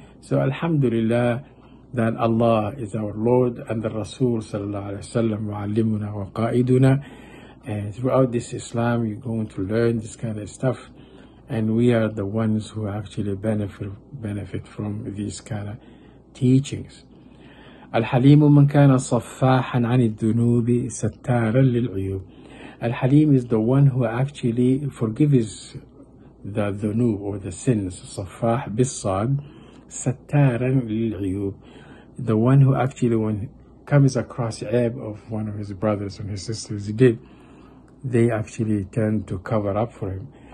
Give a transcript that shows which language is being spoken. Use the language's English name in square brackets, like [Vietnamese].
[English] So alhamdulillah that Allah is our Lord and the Rasul sallallahu alayhi wa sallam [Arabic] mu'allimuna wa qa'iduna. [English] And throughout this Islam, you're going to learn this kind of stuff. And we are the ones who actually benefit from these kind of teachings. [Arabic] الحليم من كان صفاحا عن الذنوب ستارا للعيوب. [English] الحليم is the one who actually forgives the ذنوب or the sins. [Arabic] صفاح بالصاد ستارا للعيوب. [English] The one who actually when comes across عيب of one of his brothers and his sisters, he did, they actually tend to cover up for him.